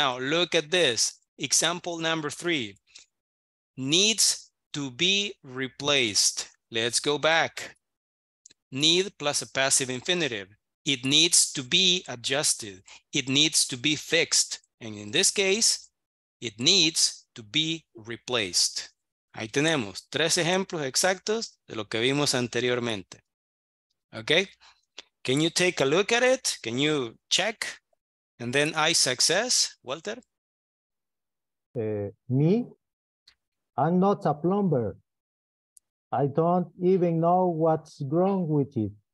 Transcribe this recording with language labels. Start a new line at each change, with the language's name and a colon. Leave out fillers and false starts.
English: Now, look at this. Example number three. Needs to be replaced. Let's go back. Need plus a passive infinitive. It needs to be adjusted. It needs to be fixed. And in this case, it needs to be replaced.
Spanish: Ahí tenemos tres ejemplos exactos de lo que vimos anteriormente.
English: Okay, can you take a look at it? Can you check? And then I success, Walter? Me? I'm not a plumber. I don't even know what's wrong with it.